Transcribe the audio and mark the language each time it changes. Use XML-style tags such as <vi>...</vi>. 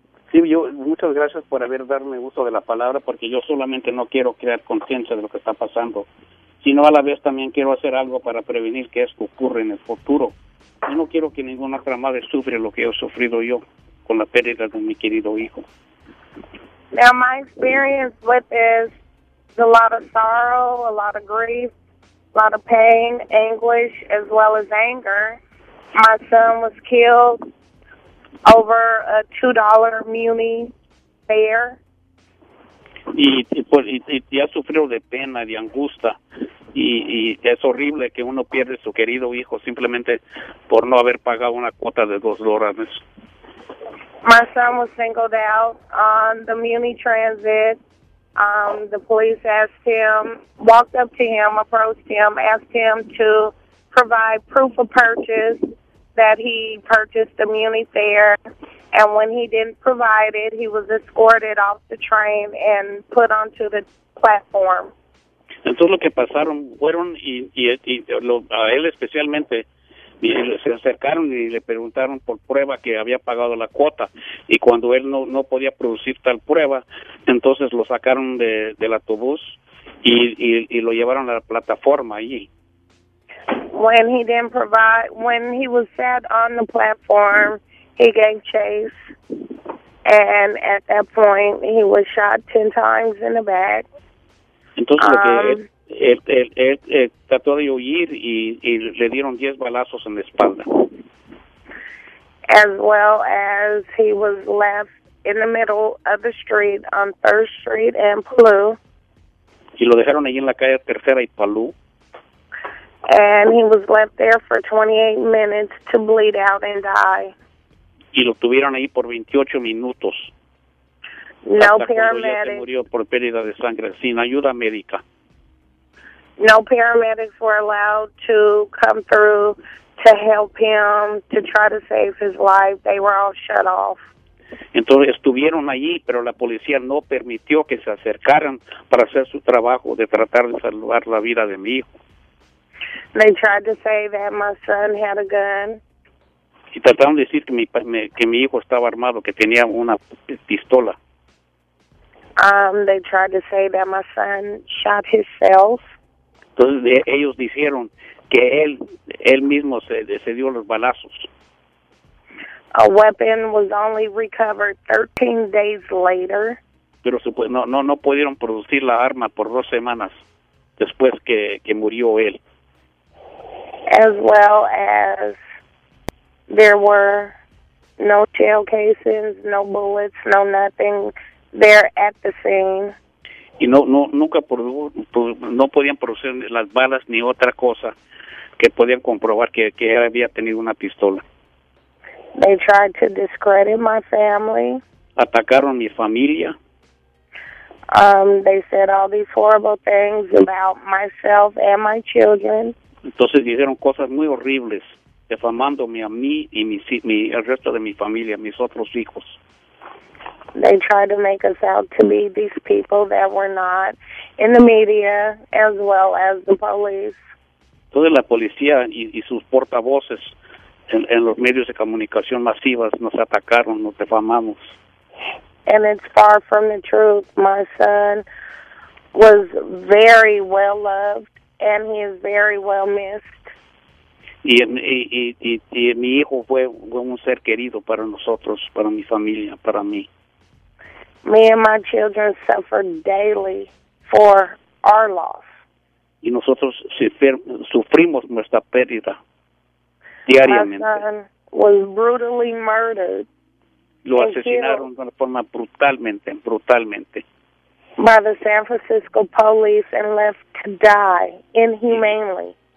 <es>Sí, yo muchas gracias por haber darme uso de la palabra, porque yo solamente no quiero crear conciencia de lo que está pasando, sino a la vez también quiero hacer algo para prevenir que esto ocurra en el futuro. Yo no quiero que ninguna otra madre sufra lo que he sufrido yo con la pérdida de mi querido hijo.</es> <en>Now, my experience with is a lot of sorrow, a lot of grief, a lot of pain, anguish, as well as anger. My son was killed over a $2 muni fare.</en> <es>Y ha sufrido de pena, de angustia. Y es horrible que uno pierde su querido hijo simplemente por no haber pagado una cuota de $2.</es> <en>My son was singled out on the Muni Transit. The police asked him, walked up to him, approached him, asked him to provide proof of purchase that he purchased the Muni fare. And when he didn't provide it, he was escorted off the train and put onto the platform.</en> <es>Entonces lo que pasaron fueron y a él especialmente y se acercaron y le preguntaron por prueba que había pagado la cuota y cuando él no podía producir tal prueba, entonces lo sacaron del autobús y lo llevaron a la plataforma allí.</es> <en>When he didn't provide, when he was sat on the platform, he gave chase and at that point he was shot 10 times in the back.</en> <es>Entonces él trató de huir y le dieron 10 balazos en la espalda.</es> <en>As well as he was left in the middle of the street on 3rd Street and Palou.</en> <es>Y lo dejaron allí en la calle Tercera y Palou.</es> <en>And he was left there for 28 minutes to bleed out and die.</en> <es>Y lo tuvieron ahí por 28 minutos.</es> <en>No paramedics.</en> <es>Murió por pérdida de sangre, sin ayuda médica.</es> <en>No paramedics were allowed to come through to help him, to try to save his life. They were all shut off.</en> <es>Entonces estuvieron allí, pero la policía no permitió que se acercaran para hacer su trabajo de tratar de salvar la vida de mi hijo.</es> <en>They tried to say that my son had a gun.</en> <es>Y trataron de decir que mi hijo estaba armado, que tenía una pistola.</es> <en>They tried to say that my son shot himself.</en> <es>Entonces ellos dijeron que él mismo se dio los balazos.</es> <en>A weapon was only recovered 13 days later.</en> <es>Pero no pudieron producir la arma por 2 semanas después que murió él.</es> <en>As well as there were no shell casings, no bullets, no nothing. They're at the scene.</en> <es>Y nunca podían producir las balas ni otra cosa que podían comprobar que él había tenido una pistola.</es> <en>They tried to discredit my family.</en> <es>Atacaron mi familia.</es> <en>They said all these horrible things about myself and my children.</en> <es>Entonces dijeron cosas muy horribles, defamándome a mí y el resto de mi familia, mis otros hijos.</es> <en>They tried to make us out to be these people that were not in the media as well as the police.</en> <es>Toda la policía y sus portavoces en los medios de comunicación masivas nos atacaron, nos defamamos.</es> <en>And it's far from the truth. My son was very well loved and he is very well missed.</en> <es>Y mi hijo fue un ser querido para nosotros, para mi familia, para mí.</es> <en>Me and my children suffered daily for our loss.</en> <es>Y nosotros sufrimos nuestra pérdida diariamente.</es> <en>My son was brutally murdered.</en> <es>Lo asesinaron de una forma brutalmente, brutalmente.</es> <en>By the San Francisco police and left to die inhumanely.</en>